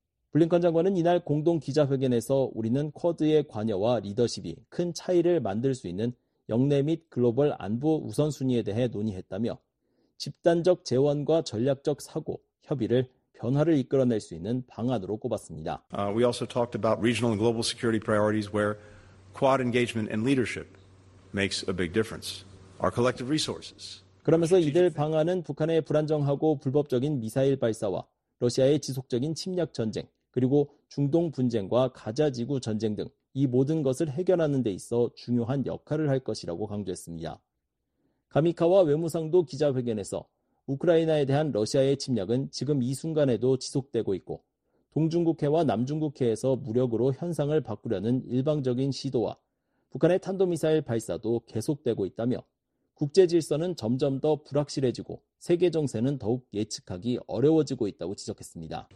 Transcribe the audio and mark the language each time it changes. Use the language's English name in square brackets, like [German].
[Korean] 블링컨 장관은 이날 공동 기자회견에서 우리는 쿼드의 관여와 리더십이 큰 차이를 만들 수 있는 영내 및 글로벌 안보 우선순위에 대해 논의했다며 집단적 재원과 전략적 사고, 협의를 변화를 이끌어낼 수 있는 방안으로 꼽았습니다. [English] We also talked about regional and global security priorities where quad engagement and leadership makes a big difference. Our collective resources. [Korean] 그러면서 이들 방안은 북한의 불안정하고 불법적인 미사일 발사와 러시아의 지속적인 침략 전쟁, 그리고 중동 분쟁과 가자지구 전쟁 등 이 모든 것을 해결하는 데 있어 중요한 역할을 할 것이라고 강조했습니다. 가미카와 외무상도 기자회견에서 우크라이나에 대한 러시아의 침략은 지금 이 순간에도 지속되고 있고 동중국해와 남중국해에서 무력으로 현상을 바꾸려는 일방적인 시도와 북한의 탄도미사일 발사도 계속되고 있다며 국제 질서는 점점 더 불확실해지고 세계 정세는 더욱 예측하기 어려워지고 있다고 지적했습니다.